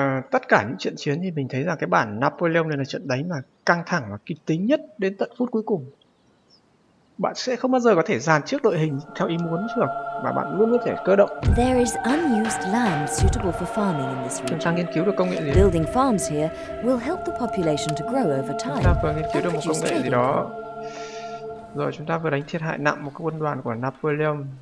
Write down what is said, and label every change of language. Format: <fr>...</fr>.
<vi>Tất cả những trận chiến thì mình thấy rằng cái bản Napoleon này là trận đánh mà căng thẳng và kịch tính nhất đến tận phút cuối cùng. Bạn sẽ không bao giờ có thể dàn trước đội hình theo ý muốn được, mà bạn luôn có thể cơ động.</vi> <en>There is unused land suitable for farming in this region.</en> <vi>Chúng ta nghiên cứu được công nghệ gì?</vi> <en>Building farms here will help the population to grow over time.</en> <vi>Chúng ta vừa nghiên cứu được một công nghệ gì đó. Rồi chúng ta vừa đánh thiệt hại nặng một quân đoàn của Napoleon.</vi>